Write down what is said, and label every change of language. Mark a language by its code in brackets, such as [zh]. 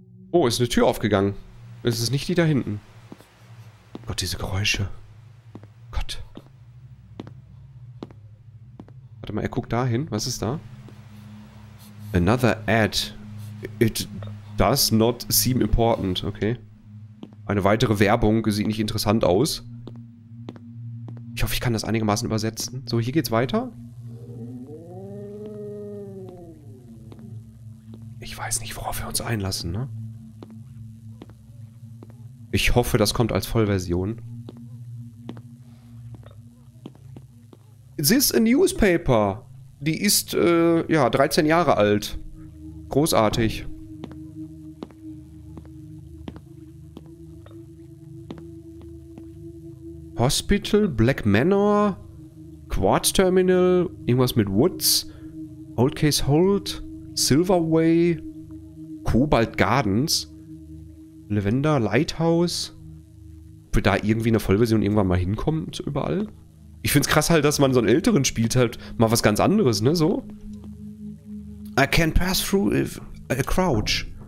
[de] Oh, ist eine Tür aufgegangen. Es ist nicht die da hinten. Gott, diese Geräusche. Gott. Warte mal, er guckt da hin. Was ist da? [en] Another ad. It does not seem important. Okay. [de] Eine weitere Werbung sieht nicht interessant aus. Ich hoffe, ich kann das einigermaßen übersetzen. So, hier geht's weiter. Ich weiß nicht, worauf wir uns einlassen, ne? Ich hoffe, das kommt als Vollversion. [en] This is a newspaper. [de] Die ist, ja, 13 Jahre alt. Großartig. Hospital, Black Manor, Quad Terminal, irgendwas mit Woods, Old Case Hold, Silverway, Cobalt Gardens. Lavender, Lighthouse. Ob da irgendwie eine Vollversion irgendwann mal hinkommt, überall. Ich find's krass halt, dass man so einen älteren spielt halt mal was ganz anderes, ne, so. [en] I can pass through if I crouch.